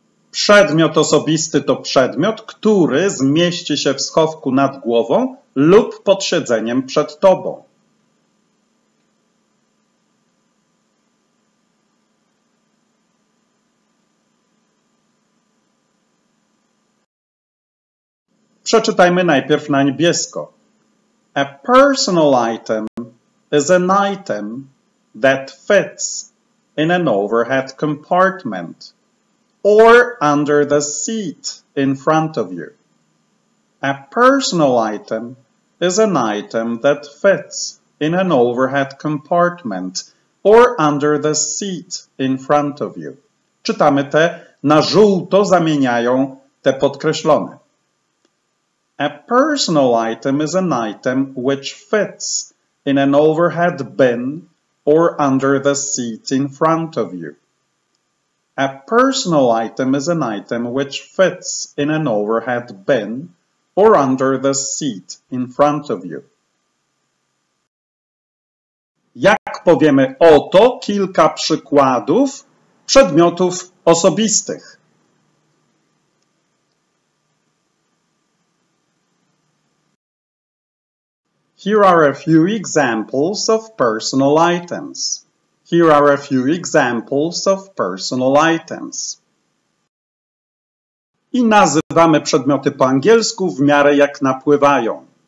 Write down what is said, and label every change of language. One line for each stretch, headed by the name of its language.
Polish: Przedmiot osobisty to przedmiot, który zmieści się w schowku nad głową lub pod siedzeniem przed tobą. Przeczytajmy najpierw na niebiesko.
English: A personal item is an item that fits in an overhead compartment or under the seat in front of you. A personal item is an item that fits in an overhead compartment or under the seat in front of you.
Polish: Czytamy te na żółto, zamieniają te podkreślone.
English: A personal item is an item which fits in an overhead bin or under the seat in front of you. A personal item is an item which fits in an overhead bin or under the seat in front of you.
Polish: Jak powiemy oto kilka przykładów przedmiotów osobistych?
English: Here are a few examples of personal items. Here are a few examples of personal items.
Polish: I nazywamy przedmioty po angielsku w miarę jak napływają.